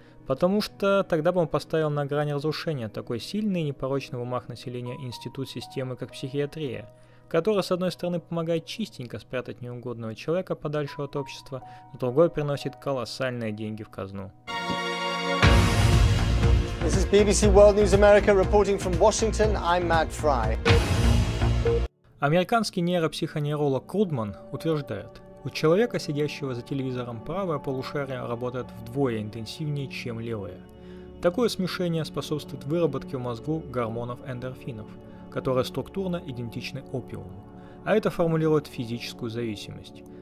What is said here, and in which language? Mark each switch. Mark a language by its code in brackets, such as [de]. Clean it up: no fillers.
[ru] Потому что тогда бы он поставил на грани разрушения такой сильный и непорочный в умах населения институт системы, как психиатрия, которая, с одной стороны, помогает чистенько спрятать неугодного человека подальше от общества, с другой приносит колоссальные деньги в казну. [en] This is BBC World News America reporting from Washington. I'm Matt Fry. [ru] Американский нейропсихонейролог Крудман утверждает, у человека, сидящего за телевизором, правое полушарие работает вдвое интенсивнее, чем левое. Такое смешение способствует выработке в мозгу гормонов эндорфинов, которые структурно идентичны опиуму, а это формулирует физическую зависимость.